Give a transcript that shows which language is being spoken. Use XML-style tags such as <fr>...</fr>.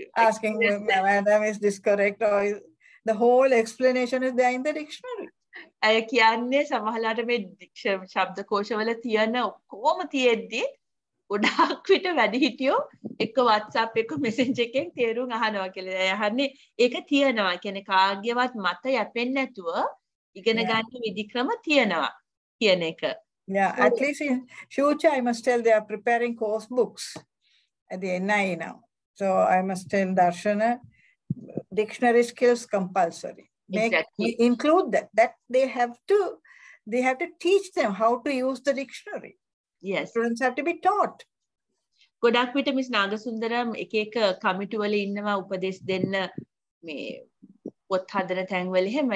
<en>Asking madam, is this correct? Or is, the whole explanation is there in the dictionary.</en> <si>ඒ කියන්නේ සමහරවිට මේ ශබ්දකෝෂවල තියෙන කොහොම තියෙද්දි ගොඩාක් විට වැඩි හිටියෝ එක WhatsApp එක Messenger එකෙන් තේරුම් අහනවා කියලා. ඒ අහන්නේ ඒක තියෙනවා. කියන්නේ කාගේවත් මත යැපෙන්නේ නැතුව ඉගෙන ගන්න විධික්‍රම තියෙනවා කියන එක.</si> <en>Yeah, at least in future I must tell they are preparing course books at the NIE now. So I must tell Darshana dictionary skills compulsory. Include that they have to teach them how to use the dictionary. Yes, students have to be taught.</en> <si>ගොඩක් විට miss නාගසුන්දරම් එක එක කමිටු වල ඉන්නවා උපදෙස් දෙන්න මේ පොත් හදන තැන් වල එහෙම.</si>